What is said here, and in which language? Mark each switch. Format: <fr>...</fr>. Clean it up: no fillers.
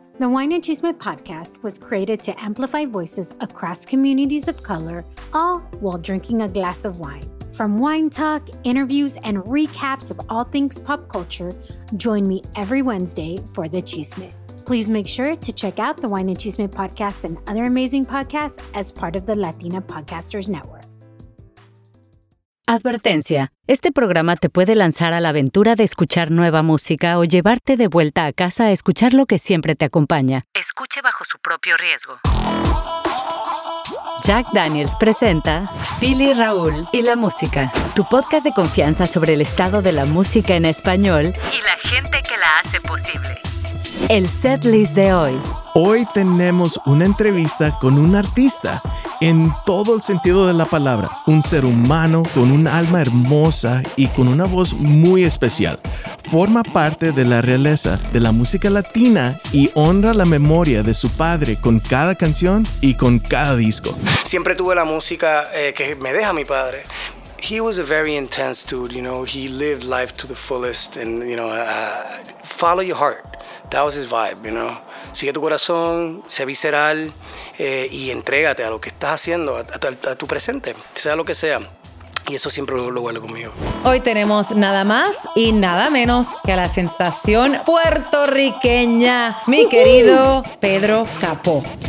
<en>The Wine and Chisme podcast was created to amplify voices across communities of color, all while drinking a glass of wine. From wine talk, interviews, and recaps of all things pop culture, join me every Wednesday for the chisme. Please make sure to check out the Wine and Chisme podcast and other amazing podcasts as part of the Latina Podcasters Network.</en> <es>Advertencia, este programa te puede lanzar a la aventura de escuchar nueva música o llevarte de vuelta a casa a escuchar lo que siempre te acompaña. Escuche bajo su propio riesgo. Jack Daniels presenta Billy Raúl y la música, tu podcast de confianza sobre el estado de la música en español y la gente que la hace posible. El setlist de hoy. Hoy tenemos una entrevista con un artista en todo el sentido de la palabra. Un ser humano con un alma hermosa y con una voz muy especial. Forma parte de la realeza de la música latina y honra la memoria de su padre con cada canción y con cada disco. Siempre tuve la música que me deja mi padre.</es> <en>He was a very intense dude, you know. He lived life to the fullest and, you know, follow your heart. That was his vibe, you know.</en> <es>Sigue tu corazón, sé visceral y entrégate a lo que estás haciendo, a tu presente, sea lo que sea. Y eso siempre lo vuelve conmigo. Hoy tenemos nada más y nada menos que a la sensación puertorriqueña, mi querido Pedro Capó.</es>